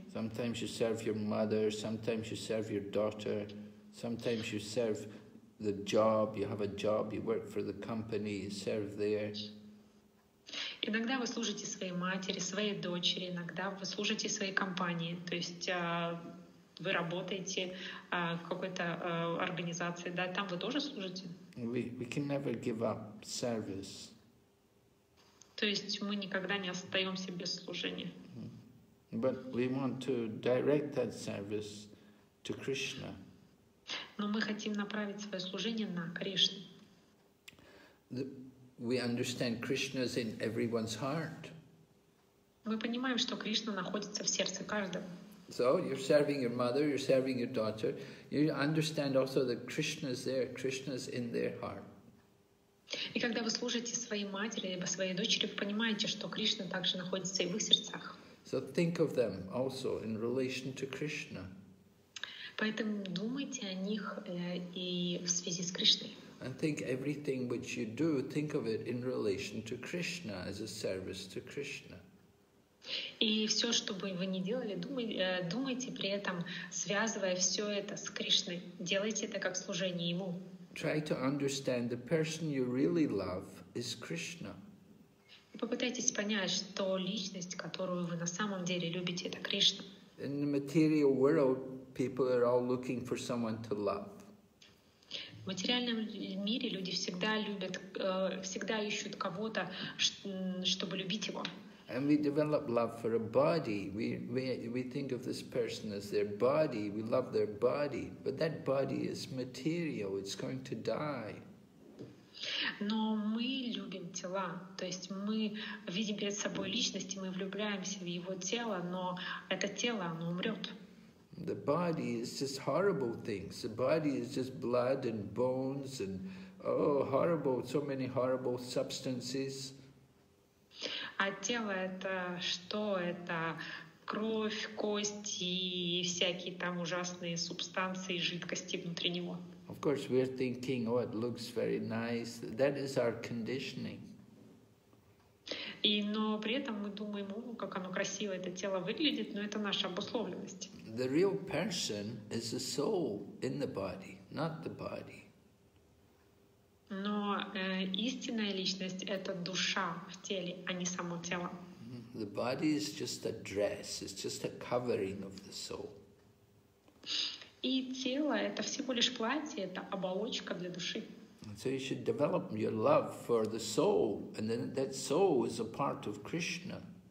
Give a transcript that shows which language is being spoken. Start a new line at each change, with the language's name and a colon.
English: Sometimes you serve your mother, sometimes you serve your daughter, sometimes you serve the job, you have a job, you work for the company, you serve there.
Russian: Иногда вы служите своей матери, своей дочери, иногда вы служите своей компании, то есть вы работаете в какой-то организации, да, там вы тоже служите.
English: We can never give up service.
Russian: То есть мы никогда не остаемся без служения.
English: But we want to direct that service to Krishna.
Russian: Но мы хотим направить свое служение на Кришну.
English: We understand Krishna's in everyone's heart.
Russian: Мы понимаем, что Кришна находится в сердце каждого.
English: So you're serving your mother, you're serving your daughter. You understand also that Krishna's there, Krishna's in their heart.
Russian: И когда вы служите своей матери либо своей дочери, вы понимаете, что Кришна также находится и в их сердцах.
English: So think of them also in relation to Krishna.
Russian: Поэтому думайте о них и в связи с Кришной.
English: And think everything which you do, think of it in relation to Krishna, as a service to Krishna.
Russian: И все, что бы вы ни делали, думайте при этом, связывая все это с Кришной, делайте это как служение Ему.
English: Try to understand the person you really love is Krishna.
Russian: Попытайтесь понять, что личность, которую вы на самом деле любите, это Кришна.
English: In the material world, people are all looking for someone to love.
Russian: В материальном мире люди всегда любят, всегда ищут кого-то, чтобы любить его.
English: And we develop love for a body. We think of this person as their body. We love their body, but that body is material. It's going to die.
Russian: Но мы любим тела, то есть мы видим перед собой личность, и мы влюбляемся в его тело, но это тело, оно умрет.
English: The body is just horrible things. The body is just blood and bones and horrible, so many horrible substances.
Russian: А тело — это что? Это кровь, кости и всякие там ужасные субстанции, жидкости внутри него.
English: Of course, we're thinking, oh, it looks very nice. That is our conditioning.
Russian: И, но при этом мы думаем, о, как оно красиво это тело выглядит, но это наша обусловленность.
English: The real person is the soul in the body, not the body.
Russian: Но истинная личность — это душа в теле, а не само тело.
English: The body is just a dress, it's just a covering of the soul.
Russian: И тело — это всего лишь платье, это оболочка для души.
English: So you should develop your love for the soul, and then that soul is a part of Krishna.